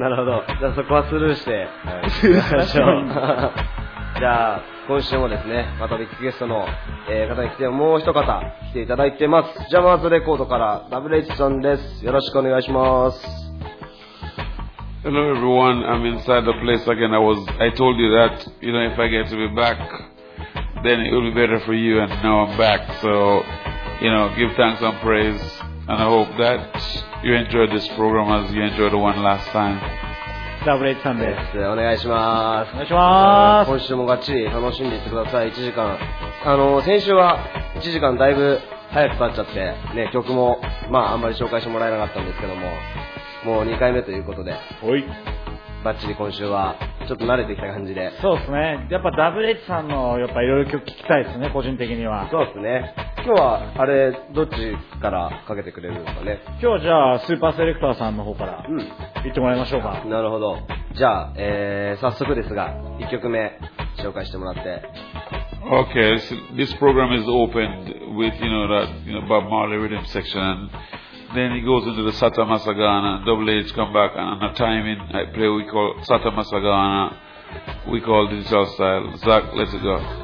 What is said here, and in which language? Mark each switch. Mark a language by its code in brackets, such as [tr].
[ja] なるほど。じゃあそこはスルーして。スルーしましょう。じゃあ、今週もですね、またビッグゲストの、方に来て、もう一方来ていただいてます。ジャマーズレコードから WH さんです。よろしくお願いします。 [en] Hello everyone, I'm inside the place again. I told you that, you know, if I get to be back, then it will be better for you and now I'm back. So, you know, give thanks and praise and I hope that you enjoyed this program as you enjoyed the one last time. [ja] WH さんです。お願いします。お願いします。今週もがっちり楽しんでいってください。1時間。先週は1時間だいぶ早く経っちゃって、ね、曲も、まあ、あんまり紹介してもらえなかったんですけども、もう2回目ということで、はい。バッチリ今週は、ちょっと慣れてきた感じで。そうですね。やっぱ WH さんの、やっぱいろいろ曲聞きたいですね、個人的には。そうですね。今日は、あれ、どっちからかけてくれるんですかね。今日はじゃあ、スーパーセレクターさんの方から。うん。行ってもらいましょうか。なるほど。じゃあ、早速ですが1曲目紹介してもらって。 [en] OK、so、This program is opened with you know that you know, Bob Marley rhythm section and then he goes into the Sata Masagana double H come back and on the timing I play we call Sata Masagana we call digital style. Zach, let's go.